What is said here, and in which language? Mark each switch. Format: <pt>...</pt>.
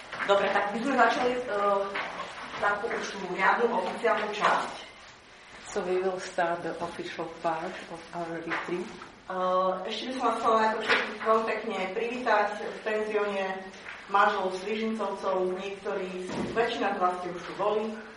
<sk>Dobre, tak my sme začali takú už riadnu oficiálnu časť.</sk> <en>So we will start the official part of our retreat.</en> <sk>Ešte by som vás chcela ako všetkých veľmi pekne privítať v penzióne manželov s Lyžincovcov, niektorí, väčšina z vás ste už tu boli.</sk>